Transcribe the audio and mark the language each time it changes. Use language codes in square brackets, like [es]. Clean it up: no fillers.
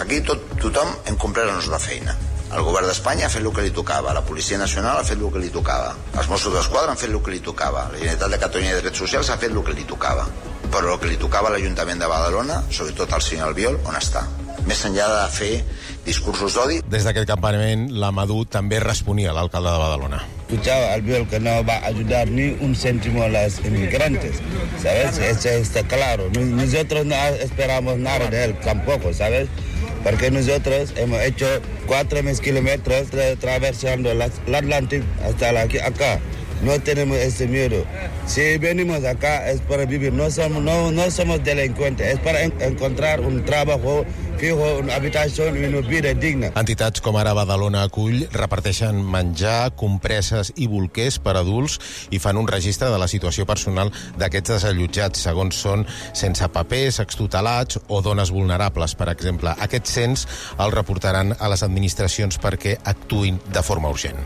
[ca] Aquí tothom hem complert la nostra feina. El govern d'Espanya ha fet el que li tocava, la Policia Nacional ha fet el que li tocava, els Mossos d'Esquadra han fet el que li tocava, la Generalitat de Catalunya i Drets Socials ha fet el que li tocava. Però el que li tocava a l'Ajuntament de Badalona, sobretot al senyor Albiol, on està? Més enllà de fer discursos d'odi. Des d'aquest campament, la Madú també responia a l'alcalde de Badalona. [es] Escuchaba al Biol que no va a ayudar ni un céntimo a los inmigrantes, ¿sabes? Eso está claro. Nosotros no esperamos nada de él tampoco, ¿sabes? Porque nosotros hemos hecho 4.000 kilómetros atravesando el Atlántico hasta aquí, acá. No tenemos ese miedo. Si venimos acá es para vivir. No somos delincuentes. Es para encontrar un trabajo fijo, una habitación y una vida digna. [ca] Entitats com ara Badalona Acull reparteixen menjar, compreses i bolquers per adults i fan un registre de la situació personal d'aquests desallotjats, segons són sense papers, extutelats o dones vulnerables, per exemple. Aquest cens el reportaran a les administracions perquè actuïn de forma urgent.